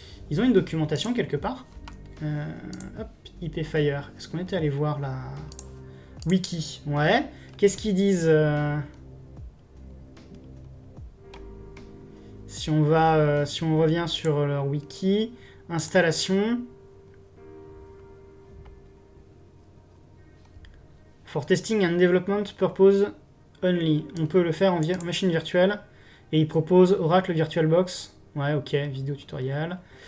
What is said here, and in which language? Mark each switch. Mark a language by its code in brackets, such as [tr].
[fr] Ils ont une documentation quelque part. Hop, IPFire. Est-ce qu'on était allé voir la wiki? Ouais. Qu'est-ce qu'ils disent Si on va, si on revient sur leur wiki, installation. [en] For testing and development purpose only. [fr] On peut le faire en machine virtuelle. Et il propose Oracle VirtualBox. Ouais, ok, vidéo tutoriel.